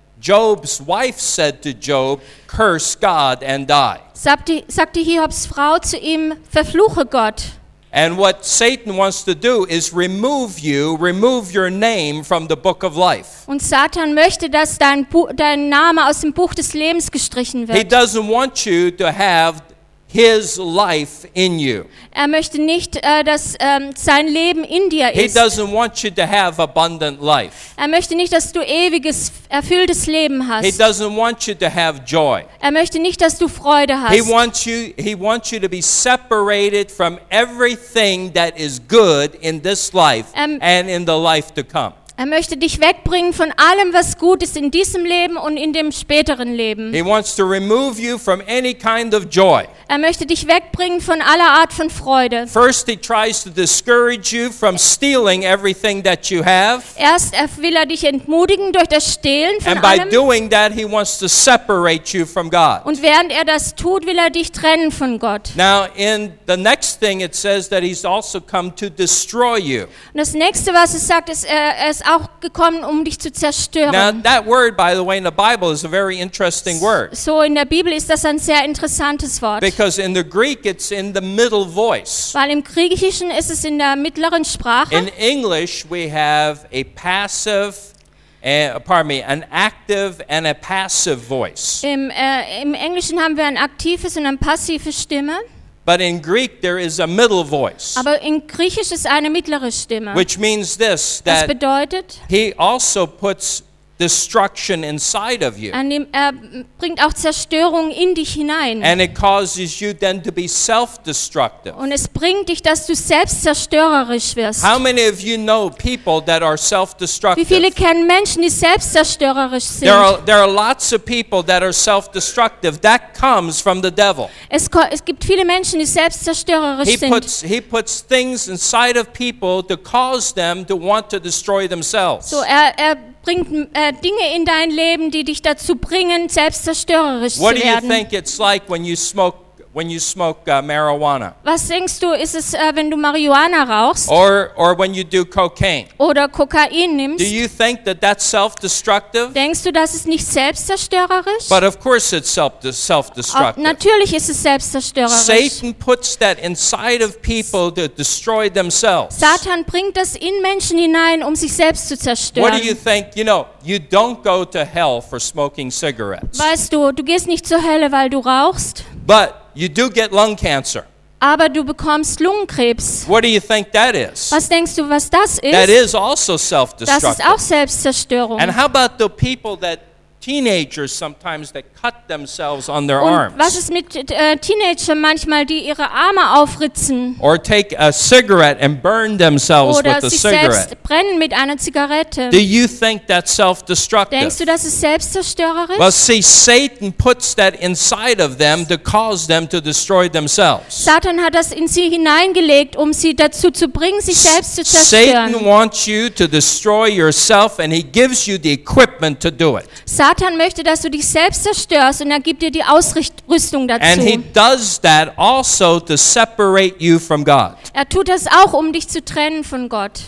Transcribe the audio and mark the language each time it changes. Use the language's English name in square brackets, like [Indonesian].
[English] Job's wife said to Job, curse God and die. [German] Sagte Hiobs Frau zu ihm, verfluche Gott. [English] And what Satan wants to do is remove your name from the book of life. [German] Und Satan möchte, dass dein Name aus dem Buch des Lebens gestrichen wird. [English] He doesn't want you to have his life in you. [German] Er möchte nicht, dass sein Leben in dir ist. [English] He doesn't want you to have abundant life. [German] Er möchte nicht, dass du ewiges erfülltes Leben hast. [English] He doesn't want you to have joy. [German] Er möchte nicht, dass du Freude hast. [English] He wants you to be separated from everything that is good in this life and in the life to come. [German] Er möchte dich wegbringen von allem, was gut ist in diesem Leben und in dem späteren Leben. [English] He wants to remove you from any kind of joy. [German] Er möchte dich wegbringen von aller Art von Freude. [English] First he tries to discourage you from stealing everything that you have. [German] Erst will er dich entmutigen durch das Stehlen von allem. [English] And by doing that he wants to separate you from God. [German] Und während er das tut, will er dich trennen von Gott. [English] Now in the next thing it says that he's also come to destroy you. [German] Und das nächste, was es sagt, ist, er ist auch gekommen, dich zu zerstören. [English] Now that word, by the way, in the Bible is a very interesting word. [German] So in der Bibel ist das ein sehr interessantes Wort. [English] Because in the Greek it's in the middle voice. [German] Weil im Griechischen ist es in der mittleren Sprache. [English] In English we have a passive, an active and a passive voice. [German] Im Englischen haben wir ein aktives und eine passive Stimme. [English] But in Greek there is a middle voice. [German] Aber in Griechisch ist eine mittlere Stimme. [English] Which means this, that [German] das bedeutet, [English] he also puts destruction inside of you. [German] Er bringt auch Zerstörung in dich hinein. [English] And it causes you then to be self-destructive. [German] Und es bringt dich, dass du selbstzerstörerisch wirst. [English] How many of you know people that are self-destructive? [German] Wie viele kennen Menschen, die selbstzerstörerisch sind? [English] There are lots of people that are self-destructive. That comes from the devil. [German] Es gibt viele Menschen, die selbstzerstörerisch sind. [English] He puts things inside of people to cause them to want to destroy themselves. [German] So er bringt Dinge in dein Leben, die dich dazu bringen, selbstzerstörerisch zu werden. [English] What do you think it's like when you smoke marijuana? [German] Was denkst du, ist es, wenn du Marihuana rauchst? [English] Or when you do cocaine? [German] Oder Kokain nimmst? [English] Do you think that that's self-destructive? [German] Denkst du, das ist nicht selbstzerstörerisch? [English] But of course it's self-destructive. [German] Natürlich ist es selbstzerstörerisch. [English] Satan puts that inside of people to destroy themselves. [German] Satan bringt das in Menschen hinein, sich selbst zu zerstören. [English] What do you think? You know, you don't go to hell for smoking cigarettes. [German] Weißt du, du gehst nicht zur Hölle, weil du rauchst. [English] But you do get lung cancer. [German] Aber du bekommst Lungenkrebs. [English] What do you think that is? [German] Was denkst du, was das ist? [English] That is also self-destructive. [German] Das ist auch Selbstzerstörung. [English] And how about the people that teenagers sometimes that cut themselves on their arms? [German] Was ist mit Teenagern manchmal, die ihre Arme aufritzen? [English] Or take a cigarette and burn themselves with the cigarette. [German] Selbst brennen mit einer Zigarette. [English] Do you think that's self-destructive? [German] Denkst du, das ist selbstzerstörerisch? [English] Well, see, Satan puts that inside of them to cause them to destroy themselves. [German] Satan hat das in sie hineingelegt, sie dazu zu bringen, sich selbst zu zerstören. [English] Satan wants you to destroy yourself and he gives you the equipment to do it. [German] Satan möchte, dass du dich selbst zerstörst und gibt dir die Ausrüstung dazu. [English] And he does that also to separate you from God. [German] Er tut das auch, dich zu trennen von Gott.